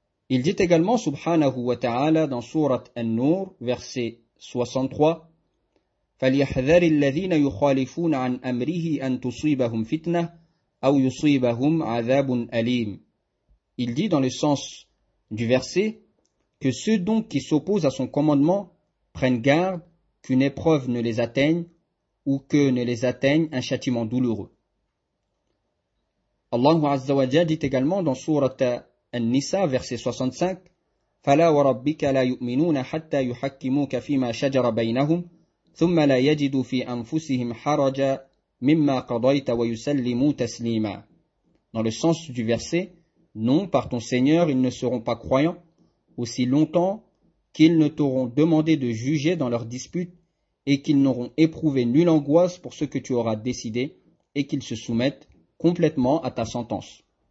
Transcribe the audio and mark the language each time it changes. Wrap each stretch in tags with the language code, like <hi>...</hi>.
<fr>Il dit également subhanahu wa ta'ala dans sourate An-Nur verset 63 «</fr> <ar>فَلْيَحْذَرِ الَّذِينَ يُخَالِفُونَ عَنْ أَمْرِهِ أَنْ تُصِيبَهُمْ فِتْنَةً أَوْ يُصِيبَهُمْ عَذَابٌ أَلِيمٌ</ar> <fr>» Il dit dans le sens du verset que ceux donc qui s'opposent à son commandement prennent garde qu'une épreuve ne les atteigne ou que ne les atteigne un châtiment douloureux. Allah Azza wa Jalla dit également dans sourate An-Nisa verset 65</fr> <ar>فَلَا وَرَبِّكَ لَا يُؤْمِنُونَ حَتَّى يُحَكِّمُوكَ فِي مَا شَجَرَ بَيْنَهُمْ ثُمَّ لَا يَجِدُوا فِي أَنفُسِهِمْ حَرَجًا مِمَّا قَضَيْتَ وَيُسَلِّمُوا تَسْلِيمًا.</ar> <fr>Dans le sens du verset, non, par ton Seigneur, ils ne seront pas croyants aussi longtemps qu'ils ne t'auront demandé de juger dans leurs disputes et qu'ils n'auront éprouvé nulle angoisse pour ce que tu auras décidé et qu'ils se soumettent complètement à ta sentence.</fr>